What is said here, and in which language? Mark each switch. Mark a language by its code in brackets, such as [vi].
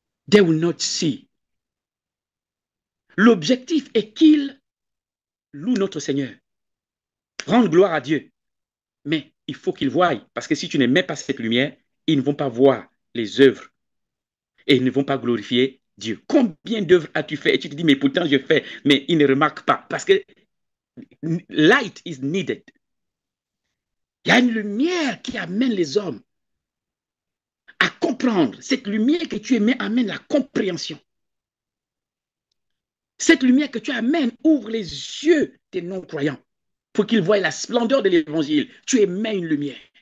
[en] They will not see. [fr] L'objectif est qu'ils louent notre Seigneur, rendent gloire à Dieu. Mais il faut qu'ils voient, parce que si tu n'émets pas cette lumière, ils ne vont pas voir les œuvres. Et ils ne vont pas glorifier Dieu. Combien d'œuvres as-tu fait? Et tu te dis, mais pourtant je fais, mais ils ne remarquent pas. Parce que [en] light is needed. [fr] Il y a une lumière qui amène les hommes à comprendre. Cette lumière que tu émets amène la compréhension. Cette lumière que tu amènes ouvre les yeux des non-croyants pour qu'ils voient la splendeur de l'évangile. Tu émets une lumière.